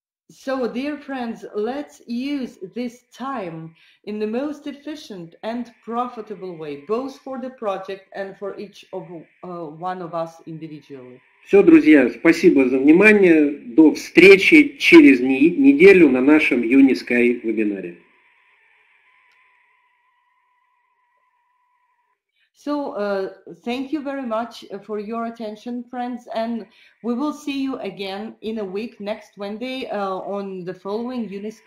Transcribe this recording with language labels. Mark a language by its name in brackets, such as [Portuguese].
[English] So, dear friends, let's use this time in the most efficient and profitable way, both for the project and for each of one of us individually. [Russian] Все, друзья, спасибо за внимание. До встречи через неделю на нашем Unisky вебинаре. [English] So, thank you very much for your attention, friends, and we will see you again in a week, next Wednesday, on the following Unisky